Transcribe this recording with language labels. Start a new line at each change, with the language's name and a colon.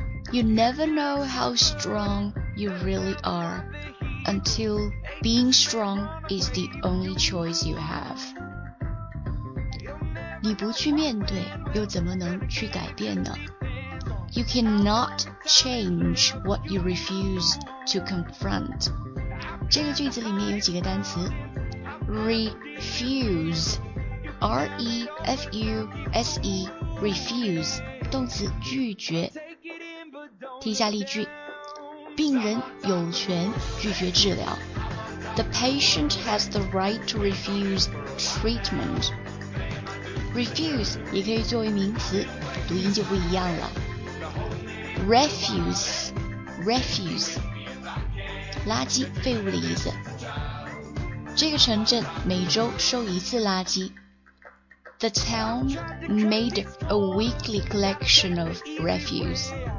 English: You never know how strong you really are until being strong is the only choice you have.
Chinese: 你不去面对，又怎么能去改变呢？
English: You cannot change what you refuse to confront.
Chinese: 这个句子里面有几个单词 refuse, R-E-F-U-S-E, refuse, 动词拒绝。听下例句，病人有权拒绝治疗。
English: The patient has the right to refuse treatment.
Chinese: Refuse 也可以作为名词，读音就不一样了。 Refuse, refuse, 垃圾废物的意思。这个城镇每周收一次垃圾。
English: The town made a weekly collection of refuse.